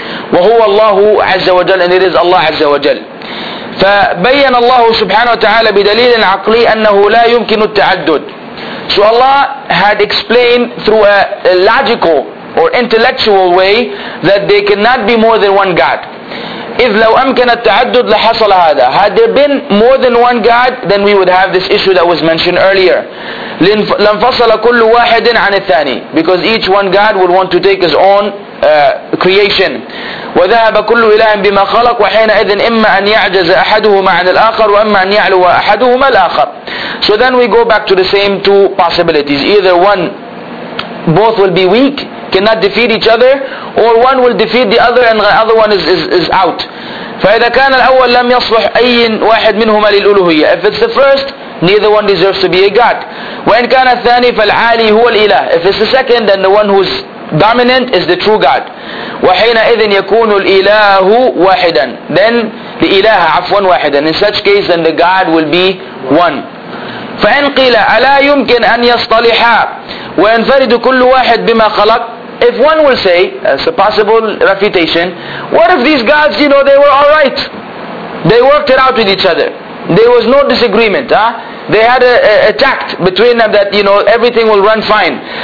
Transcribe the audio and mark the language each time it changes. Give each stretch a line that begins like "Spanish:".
Arabic: وَهُوَ اللَّهُ عَزَّ وَجَلَّ.
English: And it is Allah عَزَّ وَجَلَّ.
Arabic: فَبَيَّنَ اللَّهُ سُبْحَانَهُ وَتَعَالَى بِدَلِيلٍ عَقْلِيٍّ أَنَّهُ لَا يُمْكِنُ التَّعَدُّدُ.
English: So Allah had explained through a logical or intellectual way that they cannot be more than one God.
Arabic: إذ لو أمكن التعدد لحصل هذا.
English: Had there been more than one God, then we would have this issue that was mentioned earlier.
Arabic: لانفصل كل واحد عن الثاني.
English: Because each one God would want to take his own creation.
Arabic: وذهب كل إله بما خلق وحينئذ إما أن يعجز أحدهما عن الآخر وإما أن يعلو أحدهما الآخر.
English: So then we go back to the same two possibilities. Either both will be weak, cannot defeat each other, or one will defeat the other and the other one is out.
Arabic: فَإِذَا كَانَ الْأَوَّلْ لَمْ يَصْلُحْ أَيِّنْ وَاحِدْ مِنْهُمَا لِلْأُلُهِيَّ.
English: If it's the first, neither one deserves to be a God.
Arabic: وَإِنْ كَانَ الثَّانِي فَالْعَالِي هُوَ الْإِلَهِ.
English: If it's the second, then the one who's dominant is the true God.
Arabic: وَحِينَئِذٍ يَكُونُ الْإِلَهُ وَاحِدًا.
English: Then the
Arabic: إِلَهَ عَفْوًا وَاحِدًا.
English: In such case, then the God will be one.
Arabic: فَإِنْ قِيلَ أَلَا يُمْكِنْ أَنْ يَصْطَلِحَا وَيَنْفَرِدُ كُلُّ وَاحِدٍ بِمَا خَلَقَ.
English: If one will say, as a possible refutation, what if these gods, you know, they were all right? They worked it out with each other. There was no disagreement. They had a tact between them that, you know, everything will run fine.